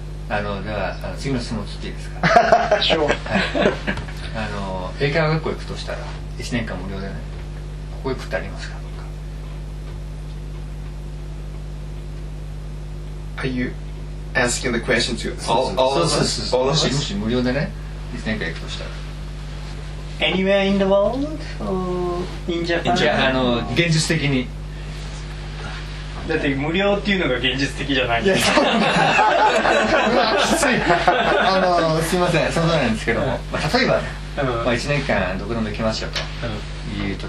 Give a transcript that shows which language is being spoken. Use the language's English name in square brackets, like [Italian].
[Japanese] あのでは次の質問聞いていいですか。しょう。あの英会話学校行くとしたら1年間無料でね。ここ行くってありますか。 [English] Are you asking the question to all of us? [Japanese] 無料でね1年間行くとしたら。 [English] Anywhere in the world or in Japan? [Japanese] じゃあの現実的に。だって無料っていうのが現実的じゃないんです。 まあきつい。すみません、そのとおりなんですけども、まあ、例えば、まあ1年間どこでも行きますよというと。